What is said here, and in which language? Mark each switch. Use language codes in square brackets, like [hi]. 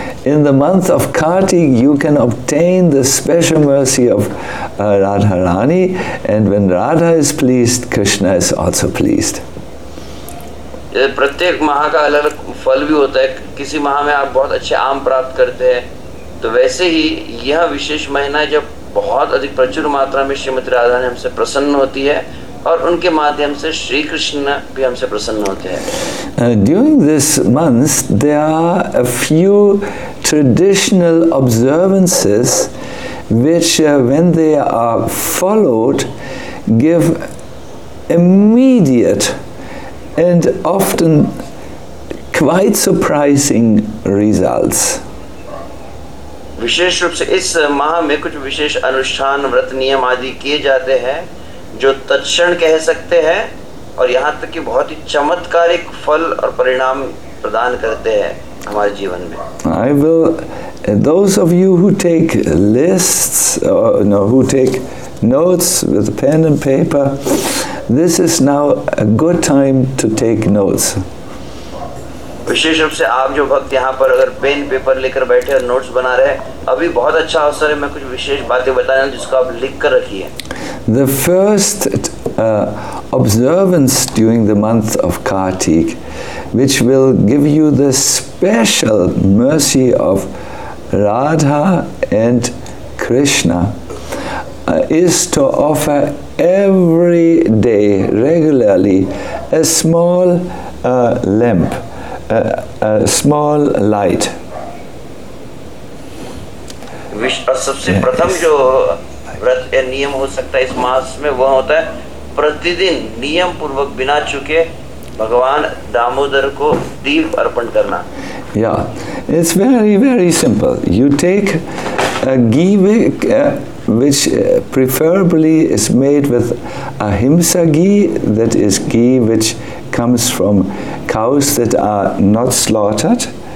[en] In the month of Kartik you can obtain the special mercy of Radharani, and when Radha is pleased, Krishna is also pleased. [hi] प्रत्येक माह का अलग फल भी होता है. किसी माह में आप बहुत अच्छे आम प्राप्त करते हैं, तो वैसे ही यह विशेष महीना जब बहुत अधिक प्रचुर मात्रा में श्रीमती राधा ने हमसे प्रसन्न होती है और उनके माध्यम से श्री कृष्ण भी हमसे प्रसन्न होते हैं. [en] During this month there are a few traditional observances which when they are followed give immediate and often quite surprising results. [hi] विशेष रूप से इस माह में कुछ विशेष अनुष्ठान व्रत नियम आदि किए जाते हैं जो तत्क्षण कह सकते हैं और यहाँ तक कि बहुत ही चमत्कारिक फल और परिणाम प्रदान करते हैं हमारे जीवन में. [en] I will, those of you who take lists or no, who take notes with pen and paper, this is now a good time to take notes. [hi] विशेष रूप से आप जो भक्त यहाँ पर अगर पेन पेपर लेकर बैठे और नोट्स बना रहे हैं, अभी बहुत अच्छा अवसर है. मैं कुछ विशेष बातें बताना जिसको आप लिख कर रखिए. [en] The first observance during the month of Kartik, which will give you the special mercy of Radha and Krishna, is to offer every day regularly a small lamp. A small light. [hi] Wish सबसे प्रथम जो व्रत या नियम हो सकता है इस मास में वह होता है प्रतिदिन नियम पूर्वक बिना चुके भगवान दामोदर को दीप अर्पण करना. [en] Yeah, it's very very simple. You take a ghee wick, which preferably is made with ahimsa ghee, that is ghee which comes from cows that are not slaughtered.